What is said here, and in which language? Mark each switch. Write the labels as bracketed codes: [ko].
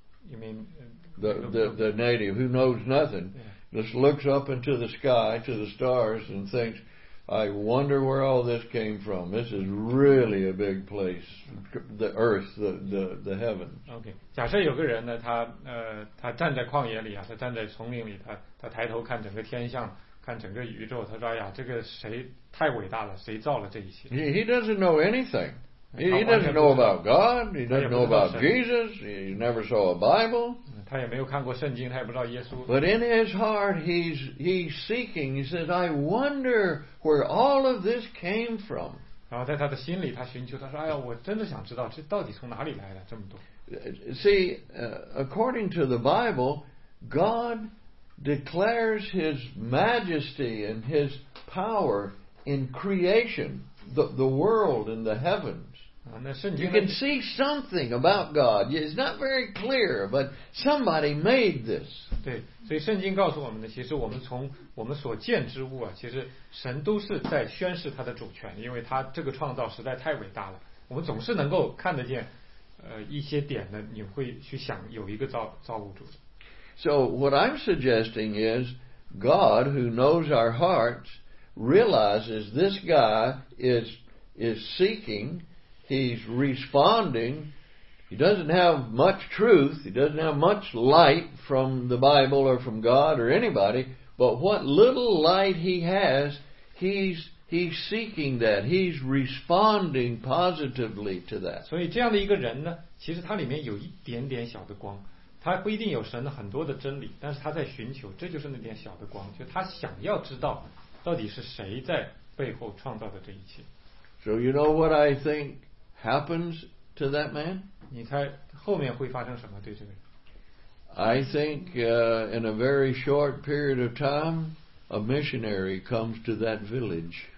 [en] You mean? The native who knows nothing, yeah, just looks up into the sky, to the stars, and thinks, I wonder where all this came from. This is really a big place, the earth, the heavens. Okay. [zh] 假设有个人呢，他站在旷野里啊，他站在丛林里，他抬头看整个天象，看整个宇宙，他说，哎呀，这个谁太伟大了，谁造了这一切？ [en] He doesn't know anything. He doesn't know about God. He doesn't know about Jesus. He never saw a Bible. [zh] 他也没有看过圣经，他也不知道耶稣。 [en] But in his heart, he's seeking. He says, "I wonder where all of this came from." [zh] 然后在他的心里，他寻求，他说：“哎呀，我真的想知道，这到底从哪里来的这么多。” [en] See, according to the Bible, God declares His majesty and His power in creation, the world and the heavens. You can see something about God. It's not very clear, but somebody made this. [zh] 对，所以圣经告诉我们呢，其实我们从我们所见之物啊，其实神都是在宣示他的主权，因为他这个创造实在太伟大了。我们总是能够看得见，一些点呢，你会去想有一个造物主。 [en] So what I'm suggesting is God, who knows our hearts, realizes this guy is seeking. He's responding He doesn't have much truth. He doesn't have much light from the Bible or from God or anybody. But what little light he has, he's seeking that. He's responding positively to that. [zh] 所以这样的一个人呢，其实他里面有一点点小的光。他不一定有神的很多的真理，但是他在寻求，这就是那点小的光，就他想要知道到底是谁在背后创造的这一切。 [en] So you know what I think happens to that man? [zh] 你猜后面会发生什么对这个人？ [en] I think in a very short period of time, a missionary comes to that village.